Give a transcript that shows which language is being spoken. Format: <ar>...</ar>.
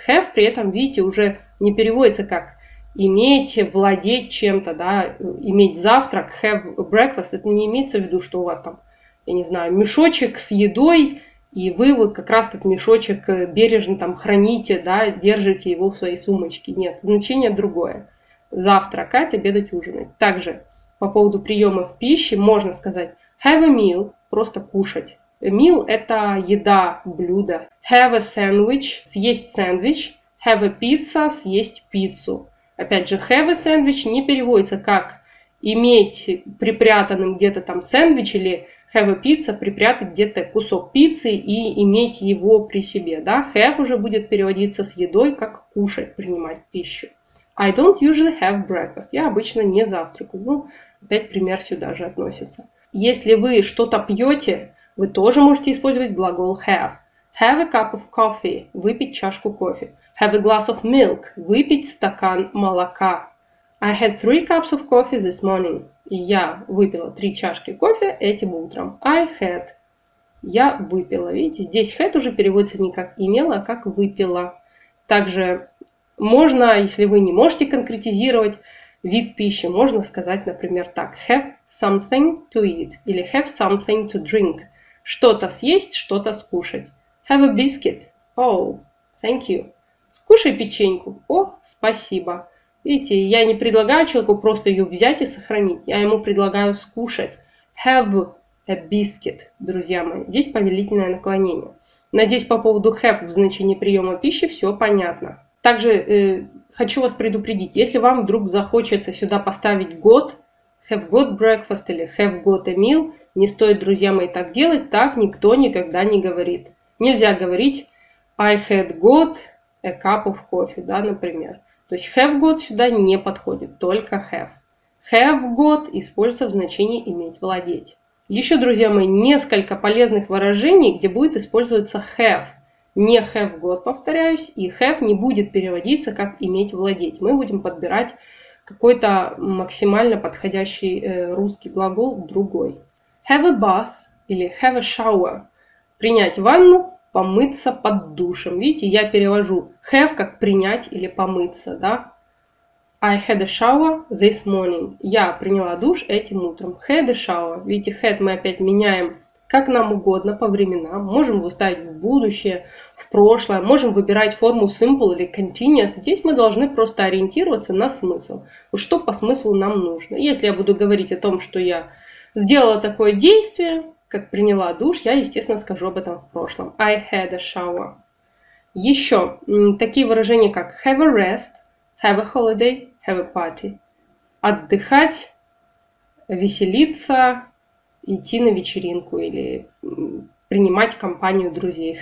<ru>Have при этом, видите, уже не переводится как иметь, владеть чем-то, да, иметь завтрак, have breakfast, это не имеется в виду, что у вас там, я не знаю, мешочек с едой, и вы вот как раз этот мешочек бережно там храните, да, держите его в своей сумочке. Нет, значение другое. Завтракать, обедать, ужинать. Также по поводу приемов пищи можно сказать have a meal, просто кушать. A meal – это еда, блюдо.</ru> <en>Have a sandwich –</en> <ru>съесть сэндвич.</ru> <en>Have a pizza –</en> <ru>съесть пиццу. Опять же, have a sandwich не переводится как иметь припрятанным где-то там сэндвич или have a pizza – припрятать где-то кусок пиццы и иметь его при себе. Да? Have уже будет переводиться с едой, как кушать, принимать пищу.</ru> <en>I don't usually have breakfast.</en> <ru>Я обычно не завтракаю. Ну, опять пример сюда же относится. Если вы что-то пьете, вы тоже можете использовать глагол have.</ru> <en>Have a cup of coffee.</en> <ru>Выпить чашку кофе.</ru> <en>Have a glass of milk.</en> <ru>Выпить стакан молока.</ru> <en>I had 3 cups of coffee this morning.</en> <ru>Я выпила 3 чашки кофе этим утром.</ru> <en>I had.</en> <ru>Я выпила. Видите, здесь had уже переводится не как имела, а как выпила. Также можно, если вы не можете конкретизировать вид пищи, можно сказать, например, так.</ru> <en>Have something to eat. Или have something to drink.</en> <ru>Что-то съесть, что-то скушать.</ru> <en>Have a biscuit. Oh, thank you.</en> <ru>Скушай печеньку. О, спасибо. Видите, я не предлагаю человеку просто ее взять и сохранить. Я ему предлагаю скушать.</ru> <en>Have a biscuit,</en> <ru>друзья мои. Здесь повелительное наклонение. Надеюсь, по поводу have в значении приема пищи все понятно. Также хочу вас предупредить, если вам вдруг захочется сюда поставить got, have got breakfast или have got a meal, не стоит, друзья мои, так делать, так никто никогда не говорит. Нельзя говорить</ru> <en>I had got a cup of coffee,</en> <ru>да, например. То есть have got сюда не подходит, только have. Have got используется в значении иметь, владеть. Еще, друзья мои, несколько полезных выражений, где будет использоваться have. Не have got, повторяюсь, и have не будет переводиться как иметь, владеть. Мы будем подбирать какой-то максимально подходящий русский глагол другой.</ru> <en>Have a bath или have a shower.</en> <ru>Принять ванну, помыться под душем. Видите, я перевожу have как принять или помыться, да?</ru> <en>I had a shower this morning.</en> <ru>Я приняла душ этим утром.</ru> <en>Had a shower.</en> <ru>Видите, had мы опять меняем как нам угодно по временам. Можем его ставить в будущее, в прошлое. Можем выбирать форму simple или continuous. Здесь мы должны просто ориентироваться на смысл. Что по смыслу нам нужно. Если я буду говорить о том, что я сделала такое действие, как приняла душ, я, естественно, скажу об этом в прошлом.</ru> <en>I had a shower.</en> <ru>Еще такие выражения, как</ru> <en>have a rest, have a holiday, have a party.</en> <ru>Отдыхать, веселиться, идти на вечеринку или принимать компанию друзей.</ru>